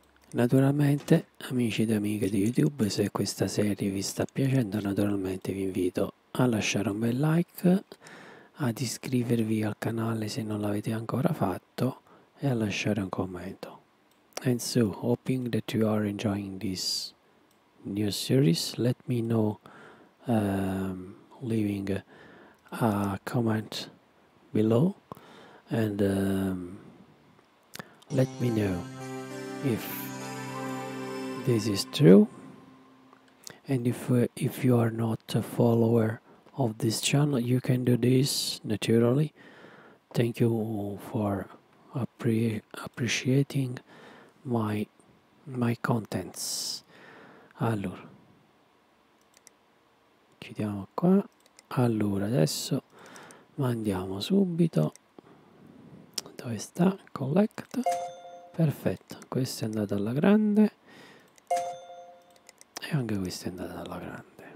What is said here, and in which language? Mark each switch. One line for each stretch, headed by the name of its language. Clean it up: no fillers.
Italian: Naturalmente, amici ed amiche di YouTube, se questa serie vi sta piacendo, naturalmente vi invito a lasciare un bel like, ad iscrivervi al canale se non l'avete ancora fatto e a lasciare un commento.
English: And so, hoping that you are enjoying this new series, let me know leaving a comment below and let me know if this is true, and if you are not a follower of this channel, you can do this naturally. Thank you for appreciating my contents.
Italian: Allora, chiudiamo qua. Allora, adesso mandiamo subito. Dove sta? Collect. Perfetto, questo è andato alla grande. E anche questa è andata alla grande.